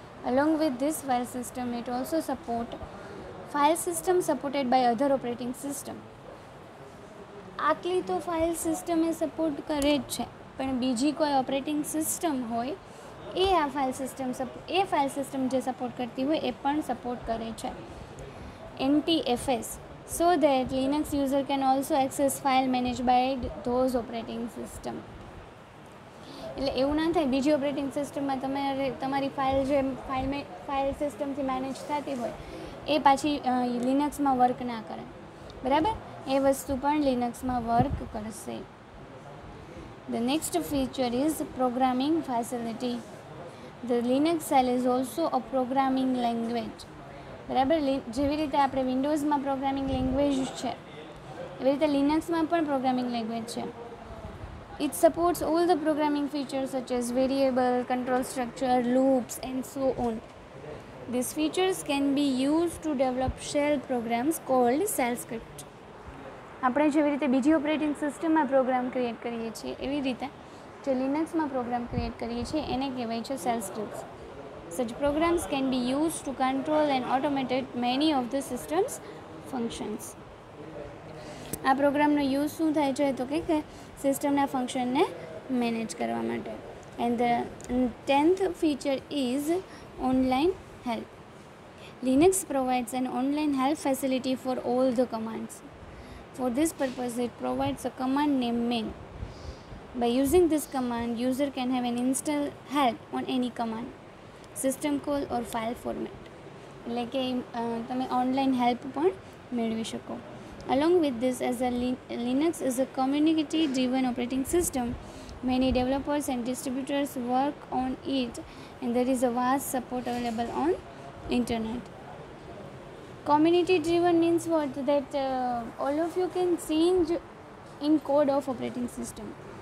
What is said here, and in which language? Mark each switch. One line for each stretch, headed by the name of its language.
English: Along with this file system, it also support file system supported by other operating system.
Gujarati: આટલી તો file system એ support કરે જ છે, પણ બીજી કોઈ ઓપરેટિંગ સિસ્ટમ હોય એ આ ફાઇલ સિસ્ટમ જે સપોર્ટ કરતી હોય એ પણ સપોર્ટ કરે છે.
English: NTFS, so that Linux user can also access file managed by those operating system.
Gujarati: એટલે એવું ના થાય બીજી ઓપરેટિંગ સિસ્ટમમાં તમારે તમારી ફાઇલ જે ફાઇલ સિસ્ટમથી મેનેજ થતી હોય એ પાછી લિનક્સમાં વર્ક ના કરે, બરાબર? એ વસ્તુ પણ લિનક્સમાં વર્ક કરશે.
English: The next feature is programming facility. The Linux shell is also a programming language, બરાબર?
Gujarati: જેવી રીતે આપણે વિન્ડોઝમાં પ્રોગ્રામિંગ લેંગ્વેજ છે, એવી રીતે લિનક્સમાં પણ પ્રોગ્રામિંગ લેંગ્વેજ છે.
English: It supports all the programming features such as variable, control structure, loops and so on. These features can be used to develop shell programs called shell script.
Gujarati: આપણે જેવી રીતે બીજી ઓપરેટિંગ સિસ્ટમમાં પ્રોગ્રામ ક્રિએટ કરીએ છીએ એવી રીતે જે લિનક્સમાં પ્રોગ્રામ ક્રિએટ કરીએ છીએ એને કહેવાય છે shell script.
English: Such programs can be used to control and automate many of the system's functions.
Gujarati: આ પ્રોગ્રામનો યુઝ શું થાય છે તો કે સિસ્ટમના ફંક્શનને મેનેજ કરવા માટે.
English: And the tenth feature is online help. Linux provides an online help facility for all the commands. For this purpose it provides a command name man. By using this command user can have an instant help on any command, system call or file format.
Gujarati: એટલે કે તમે online help પણ મેળવી શકો.
English: Along with this, as a Linux is a community driven operating system, many developers and distributors work on it and there is a vast support available on internet. Community driven means what? That all of you can change in code of operating system.